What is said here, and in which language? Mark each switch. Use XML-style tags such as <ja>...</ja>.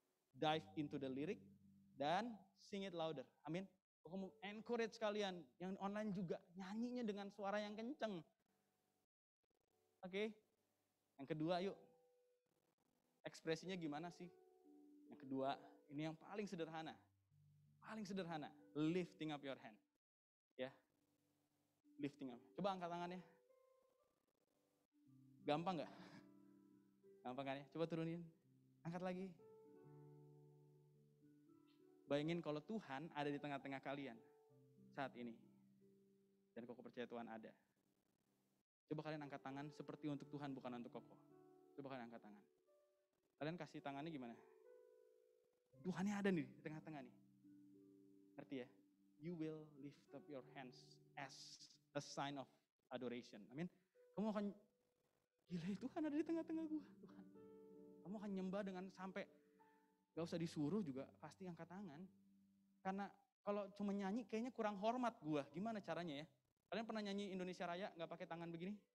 <en>Dive into the lyric dan sing it louder.</en> <id>Amin. Aku mau encourage kalian yang online juga. Nyanyinya dengan suara yang kenceng. Oke. Yang kedua yuk. Ekspresinya gimana sih? Yang kedua, ini yang paling sederhana. Paling sederhana.</id> <en>Lifting up your hand.</en> <id>Ya.</id> <en>Lifting up.</en> <id>Coba angkat tangannya. Gampang gak? Gampang kan ya? Coba turunin. Angkat lagi. Bayangin kalau Tuhan ada di tengah-tengah kalian saat ini. Dan koko percaya Tuhan ada. Coba kalian angkat tangan seperti untuk Tuhan, bukan untuk koko. Coba kalian angkat tangan. Kalian kasih tangannya gimana? Tuhannya ada nih di tengah-tengah nih. Ngerti ya?</id> <en>You will lift up your hands as a sign of adoration.</en> <id>Amin. Kamu akan... Gila ya, Tuhan ada di tengah-tengah gue. Tuhan, kamu akan nyembah dengan sampai gak usah disuruh juga, pasti angkat tangan. Karena kalau cuma nyanyi kayaknya kurang hormat gue. Gimana caranya ya? Kalian pernah nyanyi Indonesia Raya gak pakai tangan begini?</id>